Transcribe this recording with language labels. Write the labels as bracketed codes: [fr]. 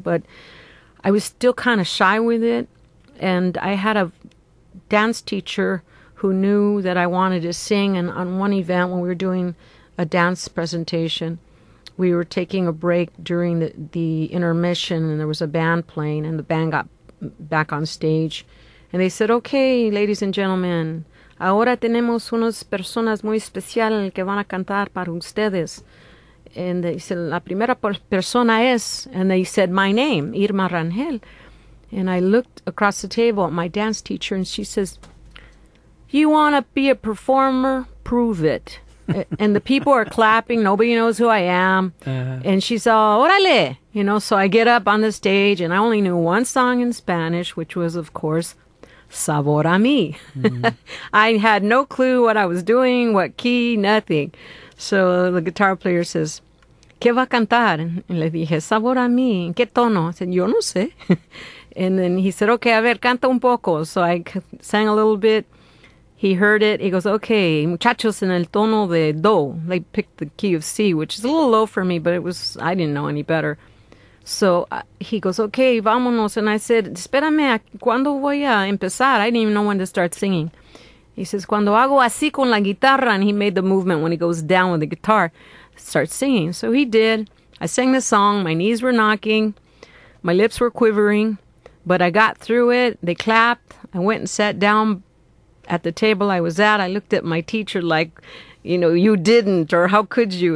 [en] But I was still kind of shy with it. And I had a dance teacher who knew that I wanted to sing. And on one event when we were doing a dance presentation, we were taking a break during the intermission, and there was a band playing, and the band got back on stage. And they said, okay, ladies and gentlemen, [es] ahora tenemos unas personas muy especiales que van a cantar para ustedes. [en] And they said, [es] la primera persona es, [en] and they said, my name, Irma Rangel. And I looked across the table at my dance teacher, and she says, you want to be a performer? Prove it. And the people are clapping. Nobody knows who I am. Uh-huh. And she's all, órale. You know, so I get up on the stage, and I only knew one song in Spanish, which was, of course, Sabor a mí. Mm-hmm. I had no clue what I was doing, what key, nothing. So the guitar player says, [es] ¿qué va a cantar? And le dije, Sabor a mí. ¿Qué tono? [en] I said, [es] yo no sé. [en] And then he said, okay, [es] a ver, canta un poco. [en] So I sang a little bit. He heard it. He goes, okay, [es] muchachos en el tono de do. [en] They picked the key of C, which is a little low for me, but it was, I didn't know any better. So he goes, okay, vámonos. And I said, [es] espérame, ¿cuándo voy a empezar? [en] I didn't even know when to start singing. He says, [es] cuando hago así con la guitarra. [en] And he made the movement when he goes down with the guitar, start singing. So he did. I sang the song. My knees were knocking. My lips were quivering. But I got through it. They clapped. I went and sat down at the table I was at. I looked at my teacher like, you know, you didn't, or how could you?